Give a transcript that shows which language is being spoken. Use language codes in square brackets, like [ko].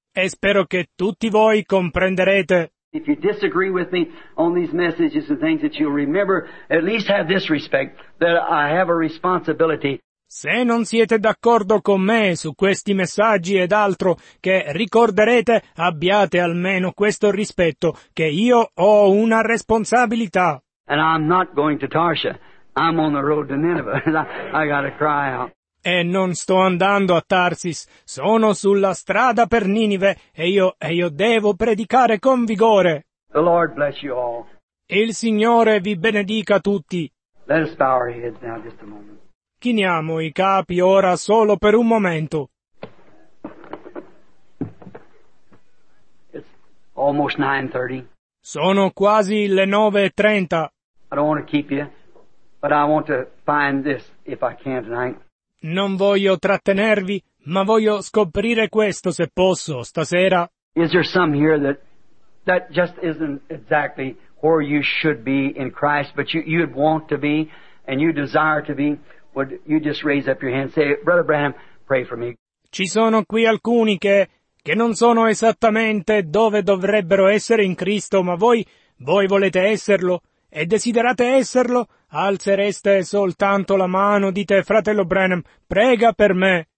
[it] E spero che tutti voi comprenderete. [en] If you disagree with me on these messages and things that you'll remember, at least have this respect, that I have a responsibility. [it] Se non siete d'accordo con me su questi messaggi ed altro che ricorderete, abbiate almeno questo rispetto, che io ho una responsabilità. [en] And I'm not going to Tarsha. I'm on the road to Nineveh. I gotta cry out. [it] E non sto andando a Tarsis. Sono sulla strada per Ninive e io devo predicare con vigore. [en] The Lord bless you all. [it] Il Signore vi benedica tutti. [en] Let us bow our heads now just a moment. [it] Chiniamo i capi ora solo per un momento. [en] It's almost 9:30. [it] Sono quasi le 9:30. [en] I don't want to keep you, but I want to find this if I can tonight. [it] Non voglio trattenervi, ma voglio scoprire questo se posso stasera. [en] Is there some here that just isn't exactly where you should be in Christ, but you'd want to be and you desire to be? Would you just raise up your hand and say, Brother Branham, pray for me. [it] Ci sono qui alcuni che non sono esattamente dove dovrebbero essere in Cristo, ma voi volete esserlo e desiderate esserlo, alzereste soltanto la mano, dite, fratello Branham, prega per me.